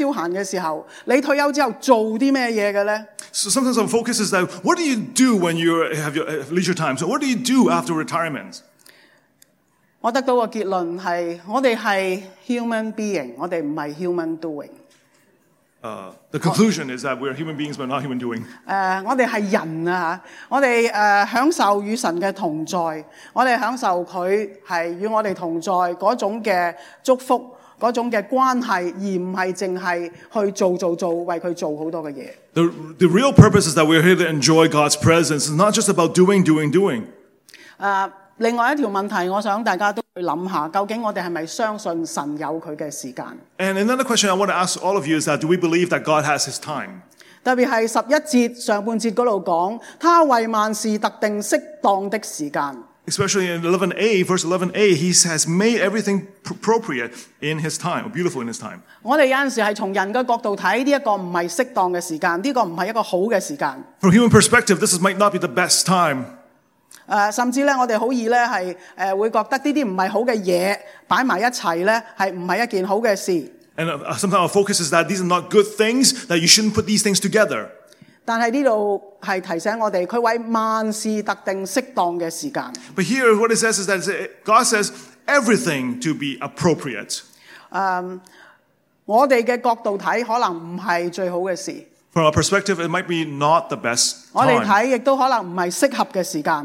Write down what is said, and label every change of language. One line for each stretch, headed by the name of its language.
Cantonese: 消闲嘅时候，你退休之后做啲咩嘢嘅咧
English: ？So sometimes our focus is that what do you do when you have your leisure time? So what do you do after retirement?
Cantonese: 我得到个结论系，我哋系 human being， 我哋唔系 human doing。
English: The conclusion is that we're human beings but not human doing.
Cantonese: 我哋系人啊，我哋享受与神嘅同在，我哋享受佢系与我哋同在嗰种嘅祝福，嗰种嘅关系，而唔系净系去做为佢做好多嘅嘢。
English: The real purpose is that we're here to enjoy God's presence. It's not just about doing.
Cantonese: 另外一条问题，我想大家都去谂下，究竟我哋系咪相信神有佢嘅时间
English: ？And another question I want to ask all of you is that do we believe that God has His time？
Cantonese: 特别系十一节上半节嗰度讲，他为万事特定适当的时间。
English: Especially in 11a, verse 11a, He has made everything appropriate in His time, beautiful in His time.
Cantonese: 我哋有阵时系从人嘅角度睇，呢一个唔系适当嘅时间，呢个唔系一个好嘅时间。
English: From human perspective, this might not be the best time.
Cantonese: 甚至咧，我哋好易咧系会觉得呢啲唔系好嘅嘢摆埋一齐咧，系唔系一件好嘅事
English: ？And sometimes our focus is that these are not good things that you shouldn't put these things together.
Cantonese: 但系呢度系提醒我哋，佢为万事特定适当嘅时间。
English: But here, what it says is that God says everything to be appropriate.
Cantonese: 我哋嘅角度睇可能唔系最好嘅事。
English: From our perspective, it might be not the best time.
Cantonese: 我哋睇亦都可能唔系适合嘅时间。